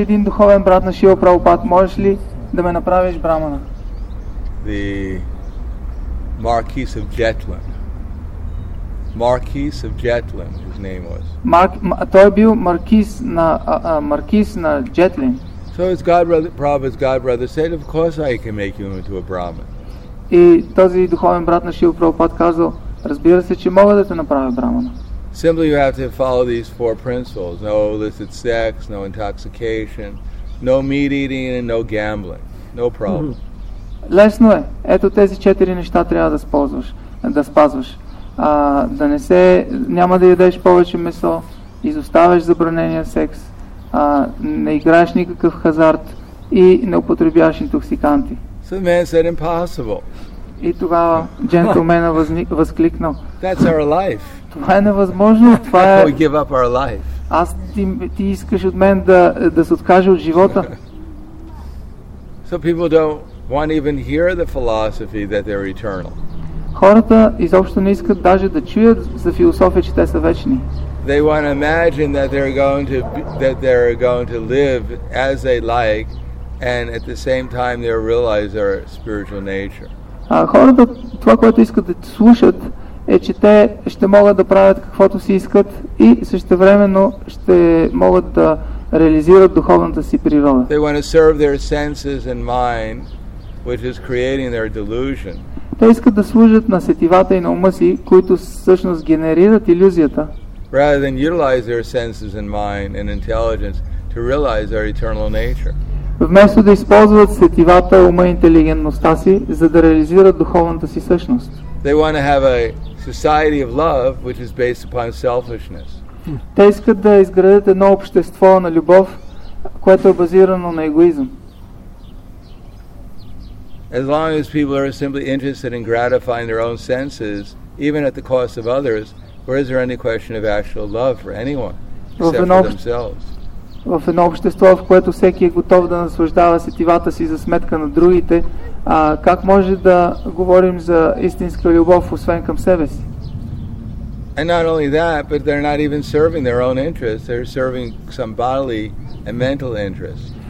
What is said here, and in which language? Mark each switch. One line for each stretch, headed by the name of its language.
Bulgarian: един духовен брат на Шива Прабхупад, можеш ли да ме направиш брамана?
English: The Marquis of Jetland. Marquis of Jetland, his name was.
Bulgarian: Той бил маркиз на Jetland.
English: So his godbrother, Prabhupada's godbrother said, of course I can make you into a Brahmin.
Bulgarian: И този духовен брат на Шива Прабхупад казал, разбира се, че мога да те направя брамана.
English: Simply you have to follow these four principles. No illicit sex, no intoxication, no meat eating, and no gambling. No problem.
Bulgarian: Лесно е. Ето тези четири неща трябва да спазваш. Да не се, няма да ядеш повече месо, изоставяш забранения секс, не играеш никакъв хазарт и не употребяваш интоксиканти.
English: So the man said impossible.
Bulgarian: И тогава джентлмена възкликнал.
English: That's our life.
Bulgarian: Това е невъзможно. Това е...
English: We give up our life.
Bulgarian: Аз ти искаш от мен да се откажа от живота.
English: So people don't want even hear the philosophy that they're eternal.
Bulgarian: Хората изобщо не искат даже да чуят за философия, че те са вечни.
English: They want to imagine that they're going to be, that they're going to live as they like, and at the same time they realize their spiritual nature.
Bulgarian: Хората това, което искат да слушат, е че те ще могат да правят каквото си искат и същевременно ще могат да реализират духовната си природа.
English: They want to serve their senses and mind, which is creating their delusion.
Bulgarian: Те искат да служат на сетивата и на ума си, които всъщност генерират илюзията.
English: Rather than utilize their senses and mind and intelligence to realize their eternal nature.
Bulgarian: Вместо да използват сетивата, ума и интелигентността си, за да реализират духовната си същност.
English: They want to have a society of love which is based upon selfishness.
Bulgarian: Те искат да изградят едно общество на любов, което е базирано на егоизъм.
English: As long as people are simply interested in gratifying their own senses, even at the cost of others, where is there any question of actual love for anyone, except for themselves?
Bulgarian: В едно общество, в което всеки е готов да наслаждава сетивата си за сметка на другите, как може да говорим за истинска любов, освен към себе си?
English: And not only that, but they're not even serving their own interests, they're serving some bodily and mental interests.